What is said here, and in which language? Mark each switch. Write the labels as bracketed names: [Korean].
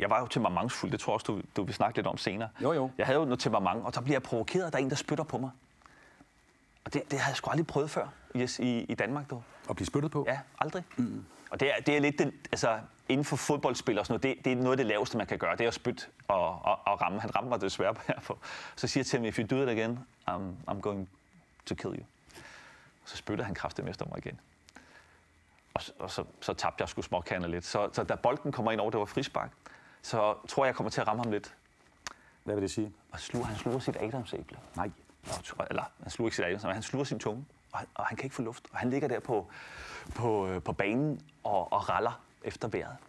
[Danish] Jeg var jo temperamentsfuld, det tror jeg også, du vil snakke lidt om senere. Jo. Jeg havde jo noget temperament, og så bliver jeg provokeret, der er en, der spytter på mig. Og det havde jeg sgu aldrig prøvet før i Danmark. Dog. At blive spyttet på? Ja, aldrig. Mm. Og det er lidt den... Altså, inden for fodboldspil og sådan noget, det er noget af det laveste, man kan gøre. Det er at spytte og ramme. Han ramte mig desværre på herpå. Så siger jeg til ham, [English] if you do it again, I'm going to kill you. [Danish] Så spytter han kraftigt efter mig igen. Og så tabte jeg sgu småkander lidt. Så da bolden kommer ind over, det var frispark, så tror jeg, jeg kommer til at ramme ham lidt. Hvad vil det sige? Og han sluger sit adamsæble. Nej. Eller han sluger ikke sit adamsæble, men han sluger sin tunge, og han kan ikke få luft. Og han ligger der på banen og raller. Efter vejret.